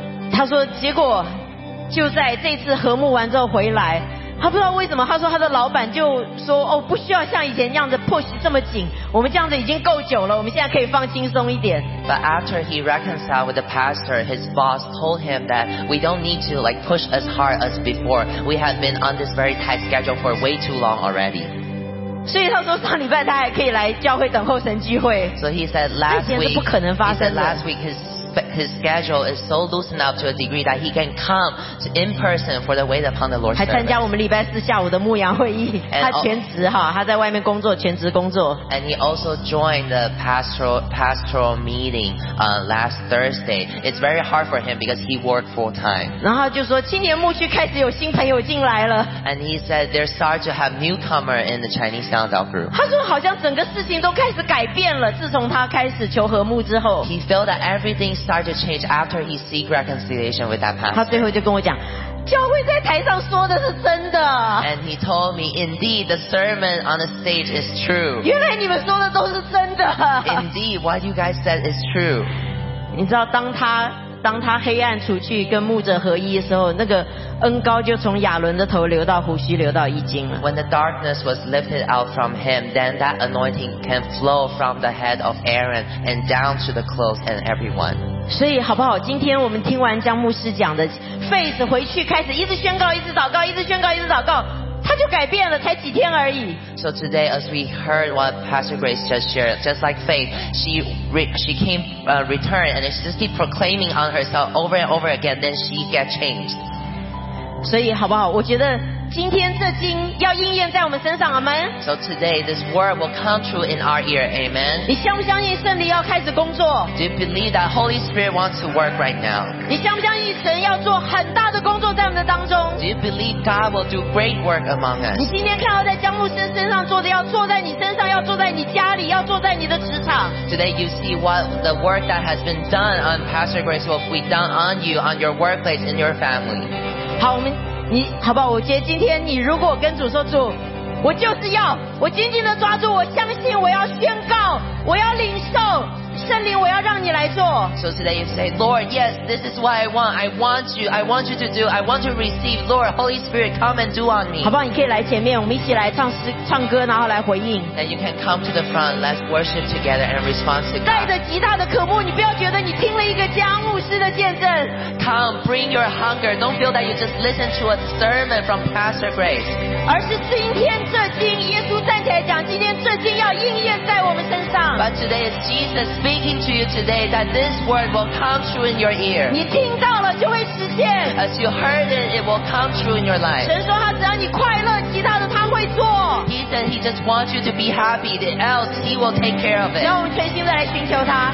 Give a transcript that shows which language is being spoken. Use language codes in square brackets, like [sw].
[zh] 他说结果就在这次和睦完之后回来，他不知道为什么，他说他的老板就说，哦，不需要像以前那样子 push 这么紧，我们这样子已经够久了，我们现在可以放轻松一点。 [en] But after he reconciled with the pastor, his boss told him that we don't need to like push as hard as before. We have been on this very tight schedule for way too long already. [zh] 所以他说上礼拜他还可以来教会等候神机会。 [en] So he said last week, [zh] 以前是不可能发生的。 [en] He said last week his schedule is so loosened up to a degree that he can come in person for the wait upon the Lord's service. [zh] 还参加我们礼拜四下午的牧羊会议，他全职哈，他在外面工作，全职工作。 [en] And he also joined the pastoral meeting last Thursday. It's very hard for him because he worked full time. [zh] 然后就说青年牧区开始有新朋友进来了。 [en] And he said they're starting to have newcomer in the Chinese Soundout group. [zh] 他说好像整个事情都开始改变了，自从他开始求和睦之后。 [en] He felt that everything started to change after he seek reconciliation with that pastor. [zh] 他最后就跟我讲，教会在台上说的是真的。 [en] And he told me, indeed, the sermon on the stage is true. [zh] 原来你们说的都是真的。 [en] Indeed, what you guys said is true. [zh] 你知道当他黑暗除去跟牧者合一的时候，那个恩膏就从亚伦的头流到胡须，流到衣襟了。 [en] When the darkness was lifted out from him, then that anointing can flow from the head of Aaron and down to the clothes and everyone. [zh] 所以好不好，今天我们听完江牧师讲的 Faith 回去开始一直宣告，一直祷告，一直宣告，一直祷告，他就改变了，才几天而已。 [en] So today as we heard what Pastor Grace just shared, just like Faith, she returned and she just keep proclaiming on herself over and over again, then she get changed. [zh] 所以好不好，我觉得今天这经要应验在我们身上，阿们。 [en] So today this word will come true in our ear, amen. [zh] 你相不相信圣灵要开始工作？ [en] Do you believe that Holy Spirit wants to work right now? [zh] 你相不相信神要做很大的工作在我们的当中？ [en] Do you believe God will do great work among us? [zh] 你今天看到在江牧师身上做的，要做在你身上，要做在你家里，要做在你的职场。 [en] Today you see what the work that has been done on Pastor Grace will be done on you, on your workplace, in your family. [zh] 好，我们你好不好，我觉得今天你如果跟主说，主，我就是要，我紧紧的抓住，我相信，我要宣告，我要领受圣灵，我要让你来做。 [en] So today you say, Lord, yes, this is what I want you to do, I want to receive, Lord, Holy Spirit, come and do on me. [zh] 好不好，你可以来前面，我们一起来 唱歌，然后来回应。 [en] And you can come to the front, let's worship together and respond to God. [zh] 带着极大的渴慕，你不要觉得你听了一个江牧师的见证。 [en] Come, bring your hunger, don't feel that you just listened to a sermon from Pastor Grace. [zh] 而是今天这经，耶稣站起来讲，今天这经要应验在我们身上。 [en] But today is Jesus speaking to you today that this word will come true in your ear. [zh] 你听到了就会实现。 [en] As you heard it, it will come true in your life. [zh] 神说他只要你快乐，其他的他会做。 [en] He said he just wants you to be happy, else he will take care of it. [zh] 让我们全心的来寻求他。